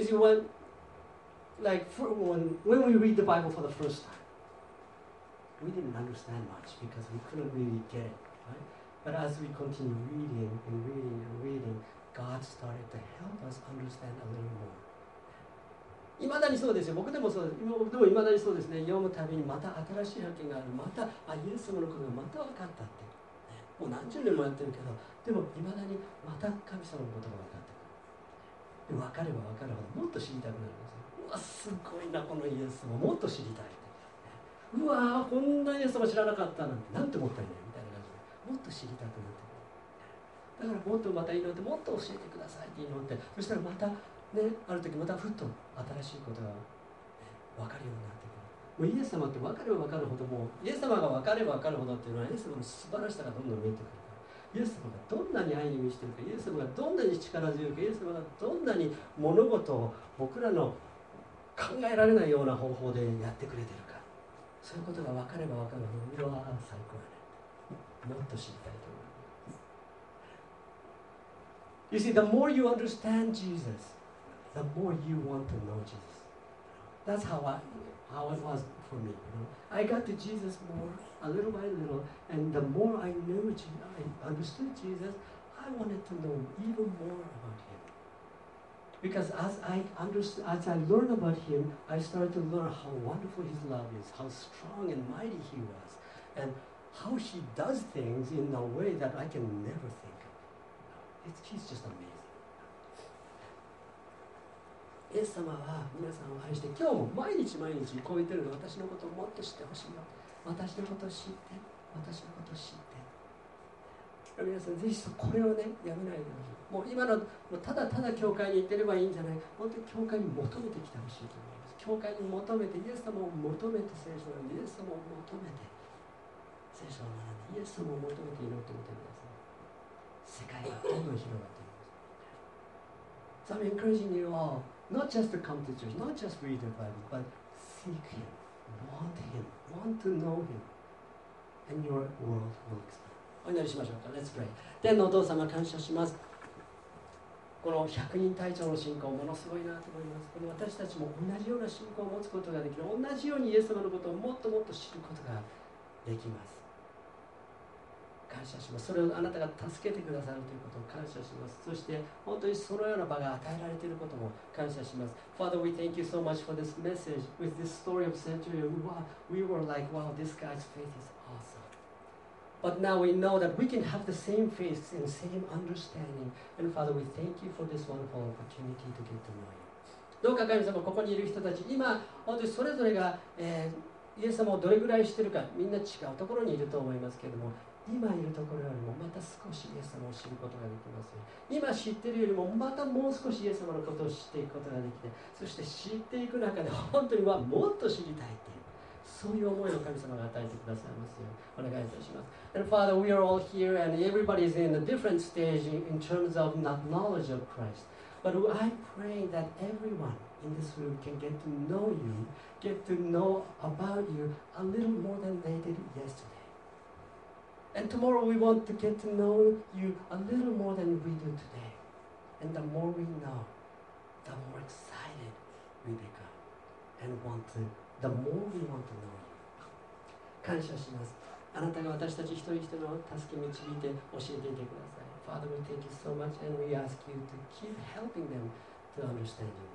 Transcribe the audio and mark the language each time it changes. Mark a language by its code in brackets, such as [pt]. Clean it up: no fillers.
[en] Is it when, like, when we read the Bible for the first time? We didn't understand much because we couldn't really get it, right? But as we continue reading and reading and reading, God started to help us understand a little more. [ja] いまだにそうですよ。僕でもそうです。今でもいまだにそうですね。読むたびにまた新しい発見がある。また、あ、イエス様のことがまた分かったって。もう何十年もやってるけど、でもいまだにまた神様のことが分かってくる。分かれば分かるほどもっと知りたくなるんですよ。うわ、すごいな、このイエス様。もっと知りたい。うわぁ、こんなイエス様知らなかったなんて、なんてもったいないみたいな感じで、もっと知りたくなって、だからもっとまた祈って、もっと教えてくださいって祈って、そしたらまた、ね、ある時またふっと新しいことが、ね、分かるようになってくる。もうイエス様って分かれば分かるほど、もうイエス様が分かれば分かるほどっていうのは、イエス様の素晴らしさがどんどん見えてくるから、イエス様がどんなに愛に満ちてるか、イエス様がどんなに力強いか、イエス様がどんなに物事を僕らの考えられないような方法でやってくれてるか、そういうことが分かれば分かるほど、うわー、最高やね。もっと知りたいと思います。 [en] You see, the more you understand Jesus, the more you want to know Jesus. That's how it was for me. You know? I got to Jesus more, a little by little, and the more I knew Jesus, I understood Jesus, I wanted to know even more about Him. Because as I learned about him, I started to learn how wonderful his love is, how strong and mighty he was, and how she does things in a way that I can never think of. It's, she's just amazing. [ja] イエス様は皆さんを愛して、今日も毎日毎日こう言ってるの、私のことをもっと知ってほしいよ。私のことを知って、私のことを知って。皆さん、ぜひこれをね、やめないでほしい。もう今の、もうただただ教会に行ってればいいんじゃない。本当に教会に求めてきてほしいと思います。教会に求めて、イエス様を求めて聖書を読んで、イエス様を求めて聖書を学んで、イエス様を求めて祈ってみてください。世界がどんどん広がっています。 [en] So I'm encouraging you all. Not just to come to church, not just read the Bible, but seek Him, want Him, want to know Him, and your world will expand. [ja] お祈りしましょうか。 [en] Let's pray. [ja] 天のお父様、感謝します。この百人隊長の信仰、ものすごいなと思います。この私たちも同じような信仰を持つことができる。同じようにイエス様のことをもっともっと知ることができます。感謝します。それをあなたが助けてくださるということを感謝します。そして本当にそのような場が与えられていることも感謝します。 [en] Father, we thank you so much for this message with this story of Centurion. We were like, wow, this guy's faith is awesome. But now we know that we can have the same faith and same understanding. And Father, we thank you for this wonderful opportunity to get to know you. [ja] どうか神様、ここにいる人たち、今本当にそれぞれが、イエス様をどれぐらい知ってるか、みんな違うところにいると思いますけれども、今いるところよりもまた少しイエス様を知ることができますよ。今知っているよりもまたもう少しイエス様のことを知っていくことができて、そして知っていく中で本当にはもっと知りたいっていう、そういう思いを神様が与えてくださいますよ。お願いいたします。 [en] And Father, we are all here and everybody is in a different stage in terms of knowledge of Christ. But I pray that everyone in this room can get to know you, get to know about you a little more than they did yesterday. And tomorrow we want to get to know you a little more than we do today. And the more we know, the more excited we become. And want to, the more we want to know you. [ja] 感謝します。あなたが私たち一人一人を助け導いて教えていてください。 [en] Father, we thank you so much and we ask you to keep helping them to understand you.